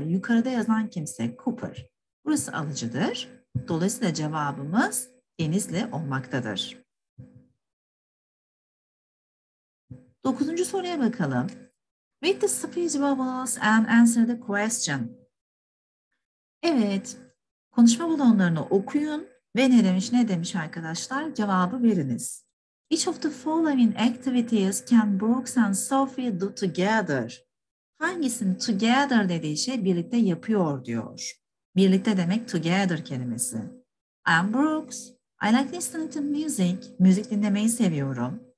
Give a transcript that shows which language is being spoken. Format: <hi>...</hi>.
<tr>Yukarıda yazan kimse Cooper. Burası alıcıdır. Dolayısıyla cevabımız Denizli olmaktadır. Dokuzuncu soruya bakalım.</tr> <en>Read the speech bubbles and answer the question.</en> <tr>Evet, konuşma balonlarını okuyun ve ne demiş ne demiş arkadaşlar cevabı veriniz.</tr> <en>Each of the following activities can Brooks and Sophie do together?</en> <tr>Hangisini together dediği şey birlikte yapıyor diyor. Birlikte demek together kelimesi.</tr> <en>I'm Brooks. I like listening to music.</en> <tr>Müzik dinlemeyi seviyorum.</tr>